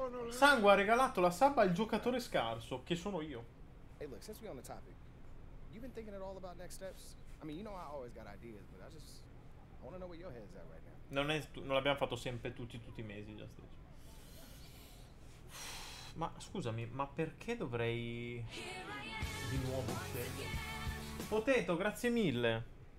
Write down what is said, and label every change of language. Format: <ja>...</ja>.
<it>Sangue ha regalato la sub al giocatore scarso, che sono io.</it> <en>Hey look, since we're on the topic, you've been thinking at all about next steps? I mean, you know I always got ideas, but I want to know where your head's at right now.</en> <it>Non l'abbiamo fatto sempre tutti i mesi, Just Dejo. Ma scusami, ma perché dovrei di nuovo scegliere? Potete, grazie mille.</it>